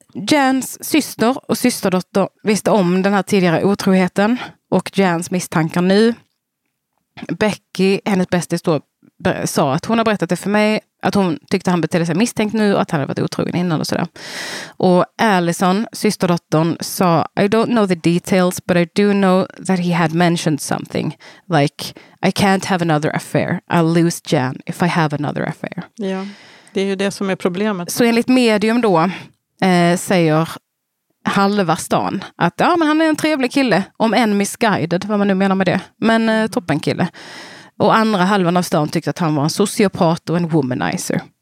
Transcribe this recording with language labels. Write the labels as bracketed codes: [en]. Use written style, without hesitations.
[sv] Jans syster och systerdotter visste om den här tidigare otroheten och Jans misstankar nu. Becky, hennes bästis, sa att hon har berättat det för mig. Att hon tyckte han betedde sig misstänkt nu och att han hade varit otrogen innan och sådär. Och Allison, systerdottern, sa [en] I don't know the details, but I do know that he had mentioned something. Like, I can't have another affair. I'll lose Jan if I have another affair. [sv] Ja, det är ju det som är problemet. Så enligt medium då säger halva stan att ja, men han är en trevlig kille. Om en misguided, vad man nu menar med det. Men toppen kille. Och andra halvan av stan tyckte att han var en sociopat och en womanizer.